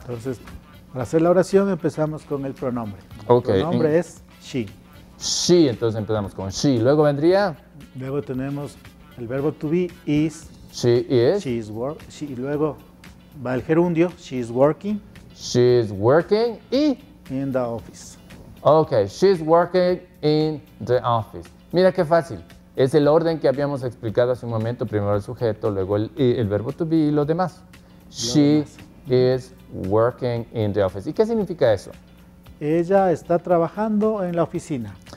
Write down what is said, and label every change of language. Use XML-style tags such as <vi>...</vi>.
<es>Entonces, para hacer la oración empezamos con el pronombre.</es> <en>Okay.</en> <es>El pronombre es she. She, entonces empezamos con she. Luego vendría. Luego tenemos el verbo to be is.</es> <en>She is. She is work.</en> <es>She, y luego va el gerundio.</es> <en>She is working. She is working. Y. In the office. Ok, she is working in the office.</en> <es>Mira qué fácil. Es el orden que habíamos explicado hace un momento. Primero el sujeto, luego el verbo to be y los demás.</es> <en>She is working in the office.</en> <es>¿Y qué significa eso? Ella está trabajando en la oficina.</es>